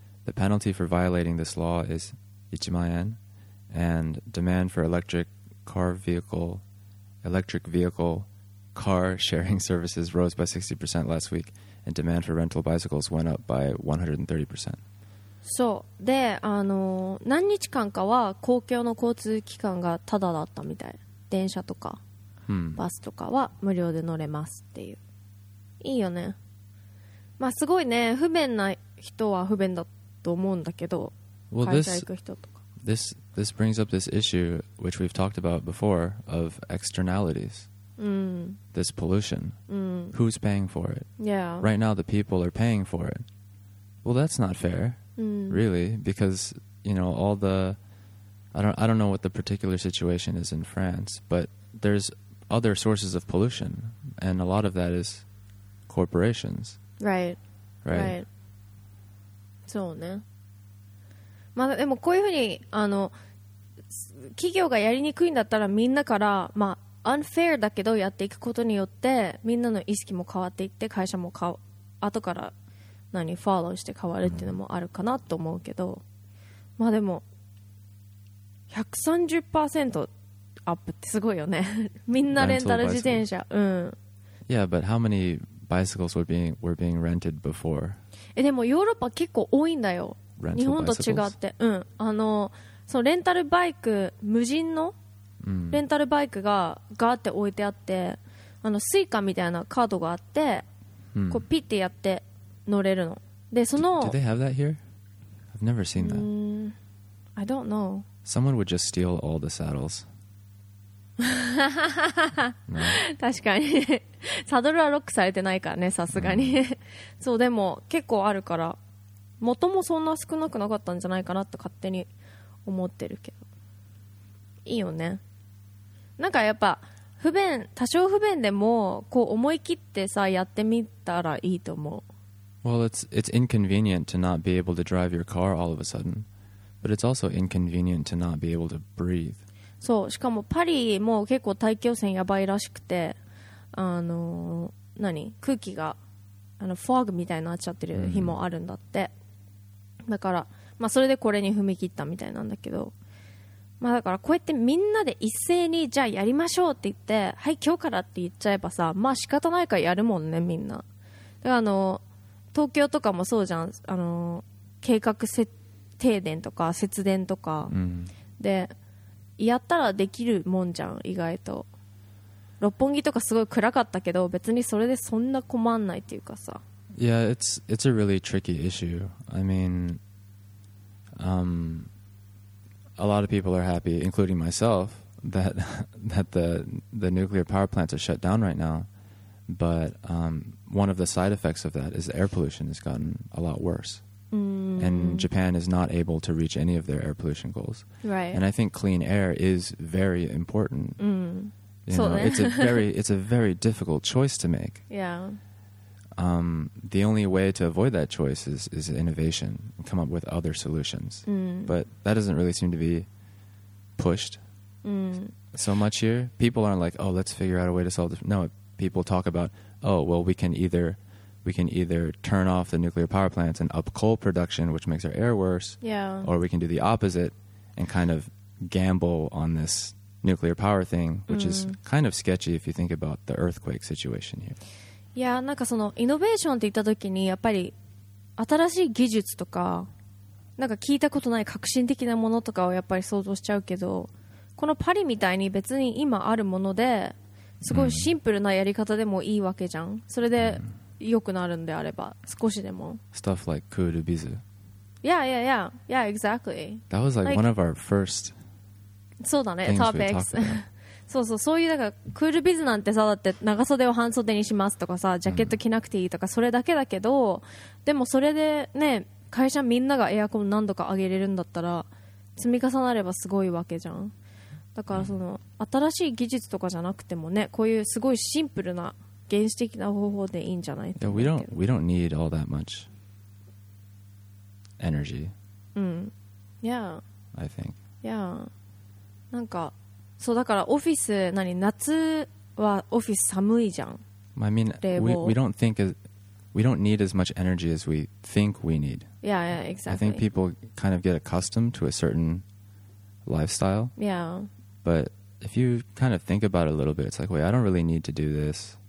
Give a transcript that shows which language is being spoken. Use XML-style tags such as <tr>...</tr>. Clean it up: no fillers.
<en>The penalty for violating this law is 1,000,000, and demand for electric vehicle car sharing services rose by 60% last week, and demand for rental bicycles went up by 130%.</en> <ja>そう。で、何日間かは公共の交通機関がタダだったみたい。電車とか、バスとかは無料で乗れますっていう。いいよね。まあすごいね、不便な人は不便だと思うんだけど、会社行く人とか。</ja> <en>This brings up this issue which we've talked about before of externalities. This pollution. Who's paying for it? Yeah. Right now the people are paying for it. Well, that's not fair. Really, because you know all the, I don't know what the particular situation is in France, but there's other sources of pollution, and a lot of that is corporations. Right.</en> <ja>そうね。まあでもこういうふうに企業がやりにくいんだったらみんなからまあ unfair だけどやっていくことによってみんなの意識も変わっていって会社も後から。何フォローして変わるっていうのもあるかなと思うけど、まあでも 130% アップってすごいよね。みんなレンタル自転車、</ja> <en>Yeah, but how many bicycles were being rented before?</en> <ja>でもヨーロッパ結構多いんだよ。日本と違って、そのレンタルバイク無人のレンタルバイクがガーって置いてあって、スイカみたいなカードがあって、こうピッてやって。乗れるの。で、その。</ja> <en>Do they have that here? I've never seen that. I don't know. Someone would just steal all the saddles.</en> <ja>確かに。サドルはロックされてないからね、さすがに。そう、でも結構あるから、元もそんな少なくなかったんじゃないかなって勝手に思ってるけど。いいよね。なんかやっぱ不便、多少不便でもこう思い切ってさやってみたらいいと思う。</ja> <en>Well, it's inconvenient to not be able to drive your car all of a sudden, but it's also inconvenient to not be able to breathe.</en> <ja>そう、しかもパリも結構大気汚染やばいらしくて、何？空気がフォグみたいになっちゃってる日もあるんだって。だから、まあそれでこれに踏み切ったみたいなんだけど、まあだからこうやってみんなで一斉にじゃあやりましょうって言って、はい今日からって言っちゃえばさ、まあ仕方ないからやるもんねみんな。だから東京とかもそうじゃん、計画設定電とか節電とか、でやったらできるもんじゃん。意外と六本木とかすごい暗かったけど別にそれでそんな困んないっていうかさ。</ja> <en>Yeah, it's a really tricky issue. I mean, a lot of people are happy, including myself, that the nuclear power plants are shut down right now. But one of the side effects of that is air pollution has gotten a lot worse. And Japan is not able to reach any of their air pollution goals. Right. And I think clean air is very important. You know, it's a very difficult choice to make. Yeah. The only way to avoid that choice is innovation and come up with other solutions. But that doesn't really seem to be pushed so much here. People aren't like, oh, let's figure out a way to solve this. No, people talk about, oh, well, we can either turn off the nuclear power plants and up coal production, which makes our air worse, or we can do the opposite and kind of gamble on this nuclear power thing, which is kind of sketchy if you think about the earthquake situation here. Yeah,</en> <ja>なんかそのイノベーションって言った時にやっぱり新しい技術とかなんか聞いたことない革新的なものとかをやっぱり想像しちゃうけど、このパリみたいに別に今あるものですごいシンプルなやり方でもいいわけじゃん。それで良くなるんであれば、少しでも。</ja> <en>Stuff like クールビズ。 Yeah, yeah, yeah, yeah, exactly. That was like one of our first.</en> <ja>そうだね、トピックス。そうそう、そういうだからクールビズなんてさ、だって長袖を半袖にしますとかさ、ジャケット着なくていいとか、それだけだけど、うん、でもそれでね、会社みんながエアコン何度か上げれるんだったら積み重なればすごいわけじゃん。だからその新しい技術とかじゃなくてもね、こういうすごいシンプルな原始的な方法でいいんじゃないって。</ja> <en>we don't need all that much energy. Yeah. I think. Yeah.</en> <ja>なんかそうだからオフィス、何、夏はオフィス寒いじゃん。</ja> <en>I mean, we don't need as much energy as we think we need. Yeah, yeah, exactly. I think people kind of get accustomed to a certain lifestyle. Yeah. But if you kind of think about it a little bit, it's like, wait, I don't really need to do this.</en>